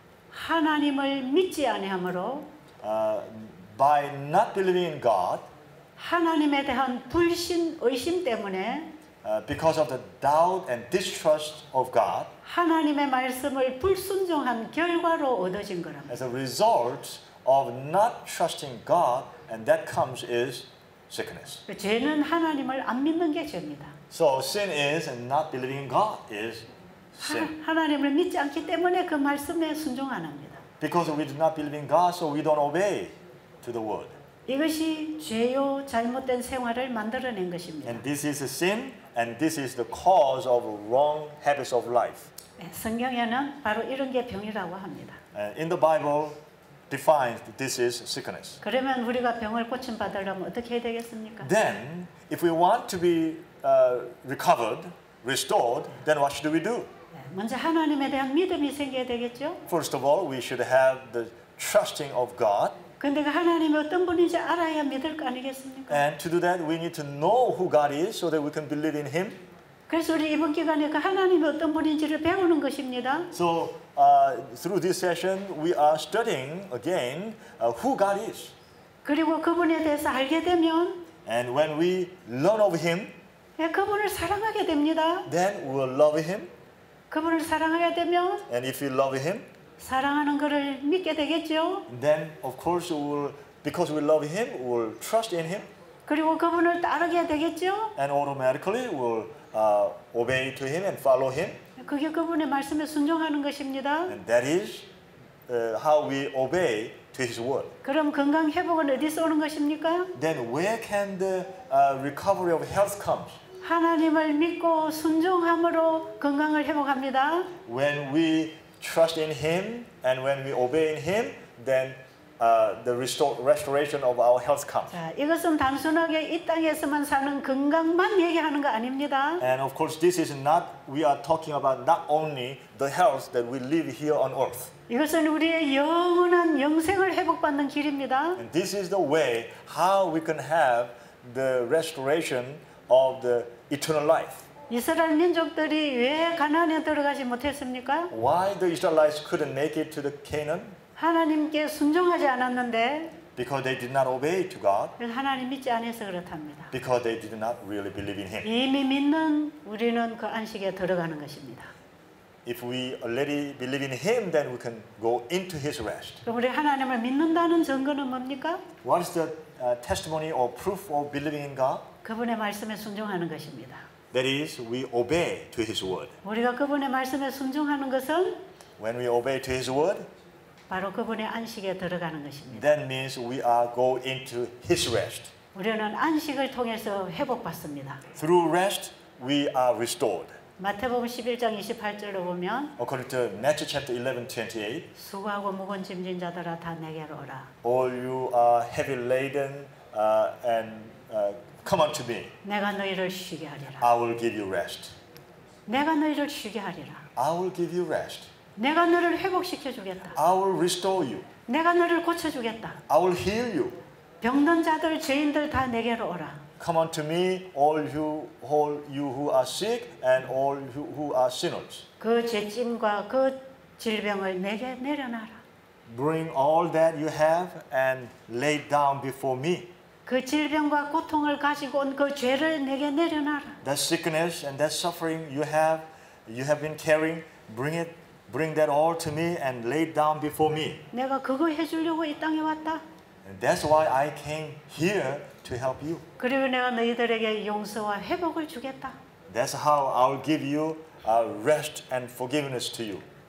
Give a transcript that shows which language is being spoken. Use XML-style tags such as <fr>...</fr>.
<ko>하나님을 믿지 아니함으로</ko> <en>by not believing in God</en> <ko>하나님에 대한 불신 의심 때문에</ko> <en>because of the doubt and distrust of God</en> <ko>하나님의 말씀을 불순종한 결과로 얻어진 거라</ko> <en>as a result of not trusting God and that comes is sickness</en> <ko>죄는 하나님을 안 믿는 게 죄입니다</ko> <en>So sin is and not believing in God is sin.</en> <ko>하나님을 믿지 않기 때문에 그 말씀에 순종 안 합니다.</ko> <en>Because we do not believe in God, so we don't obey to the word.</en> <ko>이것이 죄요 잘못된 생활을 만들어낸 것입니다.</ko> <en>And this is a sin, and this is the cause of wrong habits of life.</en> <ko>성경에는 바로 이런 게 병이라고 합니다.</ko> <en>In the Bible, defines this is sickness.</en> <ko>그러면 우리가 병을 고침 받으려면 어떻게 해야 되겠습니까?</ko> <en>Then, if we want to be recovered, restored, then what should we do?</en> <ko>먼저 하나님에 대한 믿음이 생겨야 되겠죠?</ko> <en>First of all, we should have the trusting of God.</en> <ko>근데 그 하나님이 어떤 분인지 알아야 믿을 거 아니겠습니까?</ko> <en>And to do that, we need to know who God is so that we can believe in Him.</en> <ko>그래서 우리 이번 기간에 그 하나님이 어떤 분인지를 배우는 것입니다.</ko> <en>So through this session, we are studying again who God is.</en> <ko>그리고 그분에 대해서 알게 되면,</ko> <en>and when we learn of Him,</en> <ko>예, 그분을 사랑하게 됩니다.</ko> <en>Then we will love Him.</en> <ko>그분을 사랑하게 되면,</ko> <en>and if we love Him,</en> <ko>사랑하는 것을 믿게 되겠죠.</ko> <en>Then of course we will, because we love Him, we will trust in Him.</en> <ko>그리고 그분을 따르게 되겠죠.</ko> <en>And automatically we will obey to Him and follow Him.</en> <ko>그게 그분의 말씀에 순종하는 것입니다.</ko> <en>And that is how we obey to His word.</en> <ko>그럼 건강 회복은 어디서 오는 것입니까?</ko> <en>Then where can the recovery of health comes?</en> <ko>하나님을 믿고 순종함으로 건강을 회복합니다.</ko> <en>When we trust in Him and when we obey in Him, then the restoration of our health comes.</en> <ko>자, 이것은 단순하게 이 땅에서만 사는 건강만 얘기하는 거 아닙니다.</ko> <en>And of course, this is not. We are talking about not only the health that we live here on earth.</en> <ko>이것은 우리의 영원한 영생을 회복받는 길입니다.</ko> <en>And this is the way how we can have the restoration of the eternal life.</en> <ko>이스라엘 민족들이 왜 가나안에 들어가지 못했습니까?</ko> <en>Why the Israelites couldn't make it to the Canaan?</en> <ko>하나님께 순종하지 않았는데.</ko> <en>Because they did not obey to God.</en> <ko>하나님 믿지 않아서 그렇답니다.</ko> <en>Because they did not really believe in Him.</en> <ko>이미 믿는 우리는 그 안식에 들어가는 것입니다.</ko> <en>If we already believe in Him, then we can go into His rest.</en> <ko>그럼 우리 하나님을 믿는다는 증거는 뭡니까?</ko> <en>What is the testimony or proof of believing in God?</en> <ko>그분의 말씀에 순종하는 것입니다.</ko> <en>That is, we obey to His word.</en> <ko>우리가 그분의 말씀에 순종하는 것은</ko> <en>when we obey to His word,</en> <ko>바로 그분의 안식에 들어가는 것입니다.</ko> <en>That means we are go into His rest.</en> <ko>우리는 안식을 통해서 회복받습니다.</ko> <en>Through rest, we are restored.</en> <ko>마태복음 11장 28절로 보면</ko> <en>according to Matthew chapter 11, 28,</en> <ko>수고하고 무거운 짐진 자들아 다 내게로 오라.</ko> <en>All you are heavy laden and come unto me.</en> <ko>내가 너희를 쉬게 하리라.</ko> <en>I will give you rest.</en> <ko>내가 너희를 쉬게 하리라.</ko> <en>I will give you rest.</en> <ko>내가 너를 회복시켜 주겠다.</ko> <en>I will restore you.</en> <ko>내가 너를 고쳐 주겠다.</ko> <en>I will heal you.</en> <ko>병든 자들, 죄인들 다 내게로 오라.</ko> <en>Come unto me, all you who are sick and all who are sinners.</en> <ko>그 죄짐과 그 질병을 내게 내려놔라.</ko> <en>Bring all that you have and lay down before me.</en> <ko>그 질병과 고통을 가지고 온 그 죄를 내게 내려놔라.</ko> <en>That sickness and that suffering you have been carrying, bring that all to me and lay it down before me.</en> <ko>내가 그거 해주려고 이 땅에 왔다.</ko> <en>And that's why I came here to help you.</en> <ko>그리고 내가 너희들에게 용서와 회복을 주겠다.</ko> <en>That's how I'll give you a rest and forgiveness to you.</en>